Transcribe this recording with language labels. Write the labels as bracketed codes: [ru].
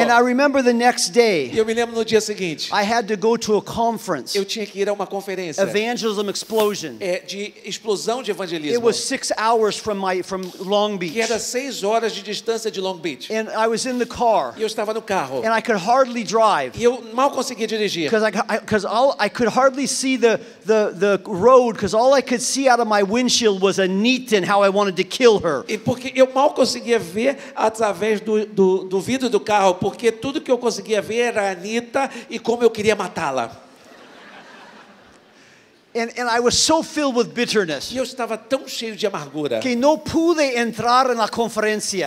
[en] And I remember the next day. [pt] Eu me lembro no dia seguinte. [en] I had to go to a conference. [pt] Eu tinha que ir a uma conferência. [en] Evangelism explosion. [pt] De explosão de evangelismo. [en] It was 6 hours from Long Beach. [pt] Que era 6 horas de distância de Long Beach. [en] And I was in the car. [pt] Eu estava no carro. [en] And I could hardly drive. [pt] Eu mal conseguia dirigir. [en] Because I could hardly see the road, because all I could see out of my windshield was Anita and how I wanted to kill her. [pt] E porque eu mal conseguia ver através do vidro do carro, porque tudo que eu conseguia ver era Anita e como eu queria matá-la. [en] And I was so filled with bitterness. [pt] E eu estava tão cheio de amargura. Que não pude entrar na conferência.